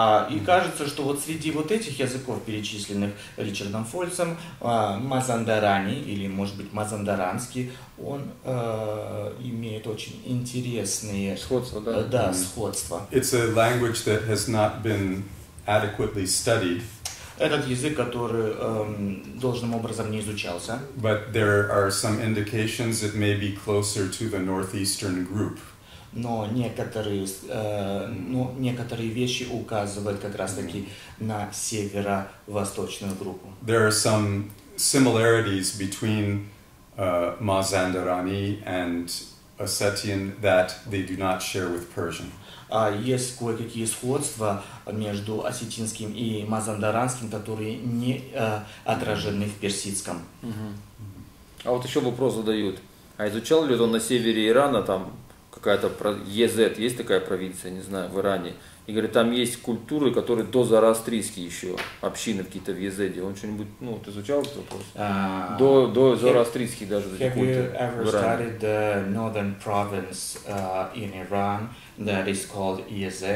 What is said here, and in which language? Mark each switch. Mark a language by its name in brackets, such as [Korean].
[Russian] И кажется, что вот среди вот этих языков, перечисленных Ричардом Фольсом, мазандарани, или, может быть, мазандаранский, он имеет очень интересные сходства. Да? Да, сходства. [English] It's a language that has not been adequately studied. [Russian] Этот язык, который должным образом не изучался. [English] But there are some indications it may be closer to the northeastern group. [Russian] Но некоторые вещи указывают как раз-таки на северо-восточную группу. [English] There are some similarities between Mazandarani and Ossetian that they do not share with Persian. [Russian] Есть кое-какие сходства между осетинским и мазандаранским, которые не отражены в персидском. А вот еще вопрос задают. А изучал ли он на севере Ирана, там какая-то ЕЗ, есть такая провинция, не знаю, в Иране? И говорит, там есть культуры, которые до зороастрийские еще, общины какие-то в ЕЗ. Он что-нибудь, ну, ты изучал этот вопрос? До зороастрийских даже эти культуры в Иране. [English] Have you ever studied the northern province in Iran that is called ЕЗ?